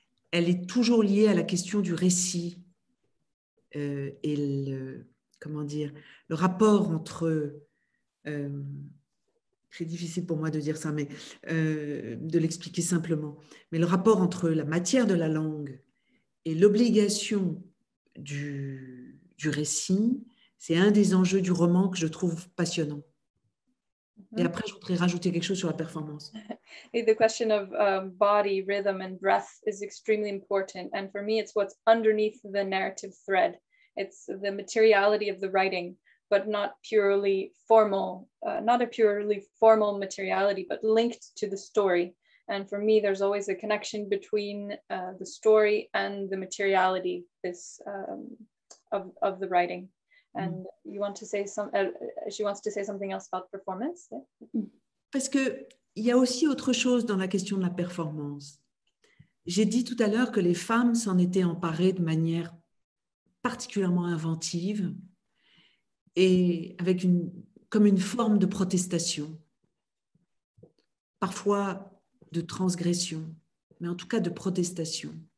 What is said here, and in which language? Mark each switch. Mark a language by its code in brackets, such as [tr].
[fr] Elle est toujours liée à la question du récit. Le rapport entre, très difficile pour moi de dire ça, mais de l'expliquer simplement, mais le rapport entre la matière de la langue et l'obligation du récit, c'est un des enjeux du roman que je trouve passionnant. Mm-hmm. Et après, je voudrais rajouter quelque chose sur la performance. [en] Et the question of body, rhythm and breath is extremely important. And for me, it's what's underneath the narrative thread. It's the materiality of the writing, but not purely formal, not a purely formal materiality, but linked to the story. And for me, there's always a connection between the story and the materiality of the writing. And you want to say she wants to say something else about performance? [fr] Parce que il y a aussi autre chose dans la question de la performance. J'ai dit tout à l'heure que les femmes s'en étaient emparées de manière particulièrement inventive et avec comme une forme de protestation, parfois de transgression, mais en tout cas de protestation.